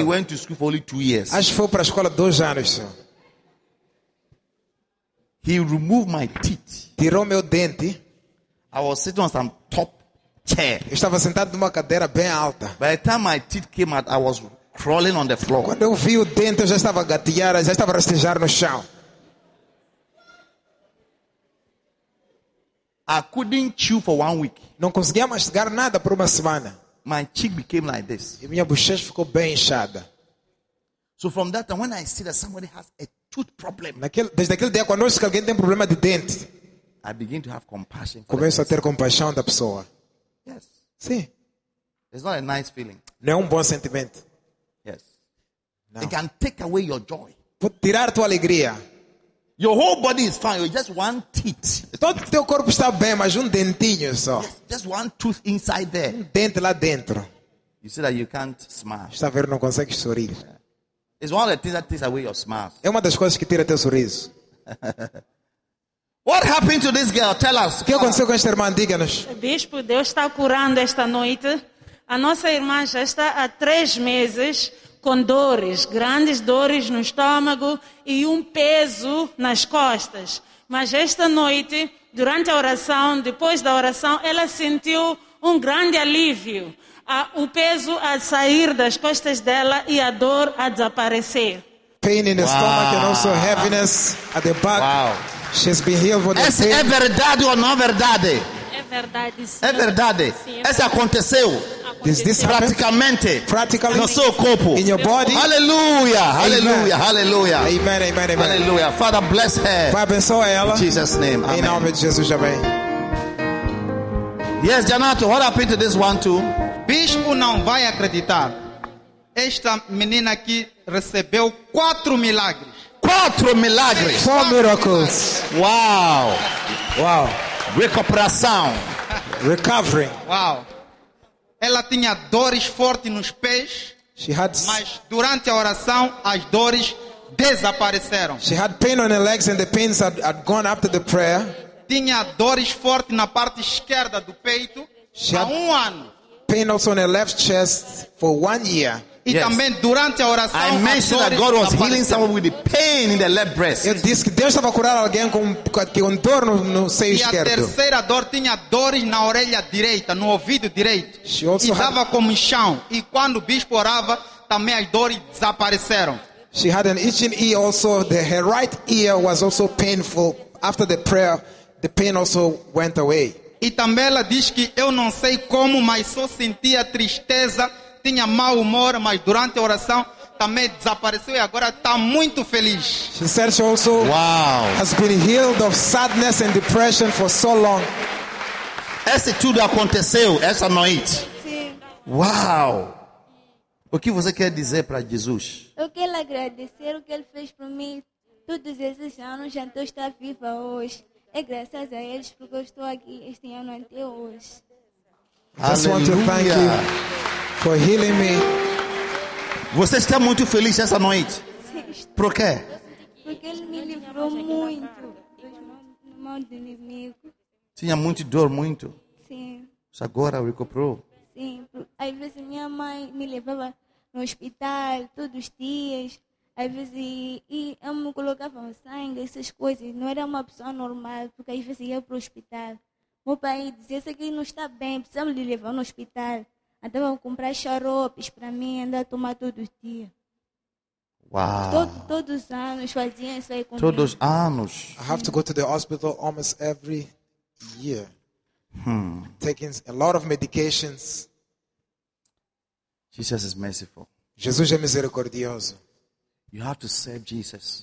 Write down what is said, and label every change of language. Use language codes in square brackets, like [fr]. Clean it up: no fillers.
[en] He went to school for only 2 years. [pt] Acho que foi para a escola 2 anos. Senhor. [en] He removed my teeth. [pt] Tirou meu dente. [en] I was sitting on some top chair. [pt] Eu estava sentado numa cadeira bem alta. [en] By the time my teeth came out, I was crawling on the floor. [pt] Quando eu vi o dente, eu já estava a gatear, já estava a rastejar no chão. [en] I couldn't chew for 1 week. [pt] Não conseguia mastigar nada por uma semana. [en] My cheek became like this. [pt] E minha bochecha ficou bem inchada. [en] So from that time, when I see that somebody has a tooth problem, [pt] desde aquele dia quando eu vi que alguém tem problema de dente, [en] I begin to have compassion. [pt] Começo a ter compaixão da pessoa. [en] Yes. [pt] Sim. [en] It's not a nice feeling. [pt] Não é bom sentimento. [en] Yes. No. It can take away your joy. [pt] Pode tirar tua alegria. [en] Your whole body is fine. You're just one teeth. [pt] Todo teu corpo está bem, mas dentinho só. [en] Just one tooth inside there. [pt] Dente lá dentro. [en] You see that you can't smile. [pt] Está vendo, não consegue sorrir. [en] It's one of the things that takes away your smile. [pt] É uma das coisas que tira teu sorriso. [en] What happened to this girl? Tell us. [pt] O que aconteceu com esta irmã? Diga-nos. Bispo, Deus está curando esta noite. A nossa irmã já está há 3 meses com dores, grandes dores no estômago e um peso nas costas. Mas esta noite, durante a oração, depois da oração, ela sentiu um grande alívio. O peso a sair das costas dela e a dor a desaparecer. [en] Pain in the stomach and also heaviness at the back. Wow. She's been healed for the pain. [pt] É verdade ou não é verdade? É verdade. É verdade. Aconteceu. [en] Is this [pt] praticamente [en] practically [pt] no seu corpo. [en] In your body. Hallelujah. Amen. Hallelujah. Hallelujah. Amen, amen, amen. Hallelujah. Father, bless her. [pt] Pai, abençoe ela. [en] In Jesus' name. Amen. [pt] Em nome de Jesus, amém. [en] Yes, Janato, what happened to this one too? [pt] Bispo, não vai acreditar. Esta menina aqui recebeu 4 milagres. 4 milagres. [en] 4 miracles. Wow. Wow. [pt] Recuperação. [en] Recovery. [pt] Wow. Ela tinha dores fortes nos pés. Mas durante a oração as dores desapareceram. [en] She had pain on her legs and the pains had gone after the prayer. [pt] Tinha dores fortes na parte esquerda do peito. [en] She [pt] há um ano. [en] Pain also on her left chest for 1 year. [pt] E yes. Também durante a oração, [en] I mentioned that God was healing someone with the pain in the left breast. [pt] Eu disse que Deus estava a curar alguém com dor no seio esquerdo. E a terceira dor tinha dores na orelha direita, no ouvido direito. [en] She also [pt] e estava com inchão. E quando o bispo orava, também as dores desapareceram. [en] She had an itching ear also. Her right ear was also painful. After the prayer, the pain also went away. [pt] E também ela diz que eu não sei como, mas só sentia tristeza. Tinha mau humor, mas durante a oração também desapareceu e agora está muito feliz. [en] She said she also wow. Has been healed of sadness and depression for so long. [pt] Esse tudo aconteceu essa noite. Sim. Wow. O que você quer dizer para Jesus? Eu quero agradecer o que ele fez por mim. Todos esses anos, então está viva hoje. É graças a eles porque eu estou aqui este ano até hoje. [en] I just want to thank you for healing me. [pt] Você está muito feliz essa noite? Sim. Por quê? Porque ele me livrou muito da mão do inimigo. Tinha muita dor, muito? Sim. Mas agora recuperou? Sim. Às vezes minha mãe me levava no hospital todos os dias. Às vezes eu me colocava sangue, essas coisas. Não era uma pessoa normal, porque às vezes ia para o hospital. Meu pai dizia, esse aqui não está bem, precisamos lhe levar no hospital. Até vão comprar xaropes para mim, andar a tomar todos os dias. Uau. Todos os anos fazia isso aí comigo. Todos os anos. [en] I have to go to the hospital almost every year. Taking a lot of medications. Jesus is merciful. [pt] Jesus é misericordioso. [en] You have to serve Jesus.